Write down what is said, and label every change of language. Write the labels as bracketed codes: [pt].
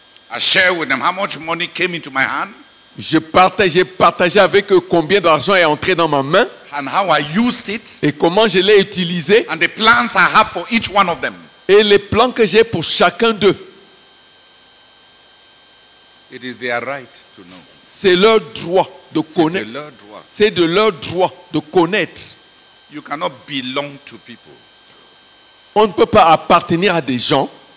[en] I shared with them how much money came into my hand. [fr] J'ai partagé avec eux combien d'argent est entré dans ma main. [en] And how I used it. [fr] Et comment je l'ai utilisé. [en] And the plans I have for each one of them. [fr] Et les plans que j'ai pour chacun d'eux. [en] It is their right to know. [fr] C'est leur droit de connaître. C'est de leur droit. C'est de leur droit de connaître. [en] You cannot belong to people. [fr] On ne peut pas appartenir à des gens